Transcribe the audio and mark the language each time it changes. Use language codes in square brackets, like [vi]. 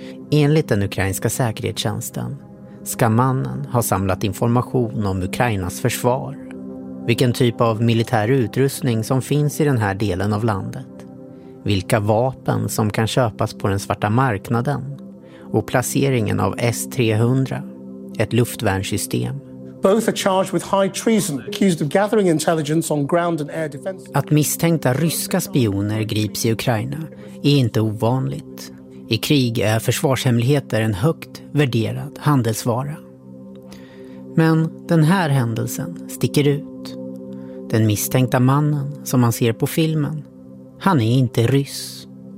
[sv] Enligt den ukrainska säkerhetstjänsten ska mannen ha samlat information om Ukrainas försvar. Vilken typ av militär utrustning som finns i den här delen av landet. Vilka vapen som kan köpas på den svarta marknaden. Och placeringen av S-300, ett luftvärnssystem. [en] Both are charged with high treason, accused of gathering intelligence on ground and air defense. [sv] Att misstänkta ryska spioner grips i Ukraina är inte ovanligt. I krig är försvarshemligheter en högt värderad handelsvara. Men den här händelsen sticker ut. Den misstänkta mannen som man ser på filmen, han är inte ryss.